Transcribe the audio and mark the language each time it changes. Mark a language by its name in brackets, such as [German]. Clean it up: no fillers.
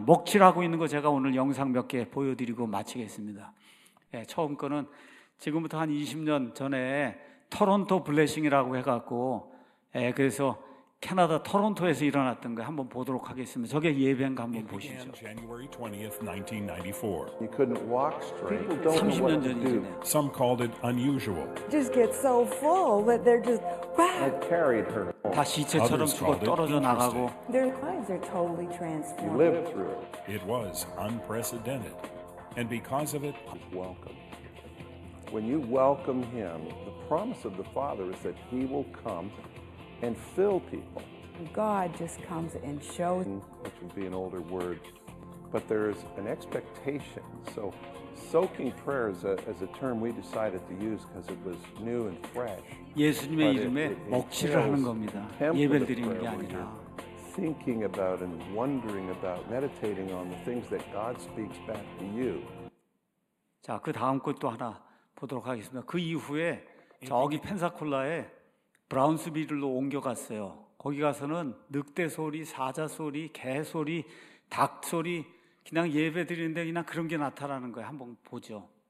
[Korean] 먹칠하고 있는 거 제가 오늘 영상 몇 개 보여드리고 마치겠습니다. 예, 처음 거는 지금부터 한 20년 전에 토론토 블레싱이라고 해갖고 그래서 캐나다 토론토에서 일어났던 거 한번 보도록 하겠습니다. 저게 예배인가 한번 보시죠. [English] January 20th, 1994. You couldn't walk straight. People don't know what to do. Some called it unusual. Just get so full that they're just wow. I carried her. [Korean] 다 시체처럼 죽어 떨어져 나가고. [English] Their lives are totally transformed. You lived through it. It was unprecedented, and because of it, welcome. When you welcome him, the promise of the Father is that he will come. And fill people. God just comes and shows. Which would be an older word, but there is an expectation. So, soaking prayer is a term we decided to use because it was new and fresh. [Korean] 예수님의 이름에 먹칠을 하는 겁니다. 예배를 드리는 게 아니라. [English] Thinking about and wondering about, meditating on the things that God speaks back to you. [Korean] 자, 그 다음 것도 하나 보도록 하겠습니다. 그 이후에 저기 펜사콜라에. 브라운스빌로 옮겨갔어요. 거기 가서는 늑대 소리, 사자 소리, 개 소리, 닭 소리 그냥 예배 드리는데 그냥 그런 게 나타나는 거예요. 한번 보죠.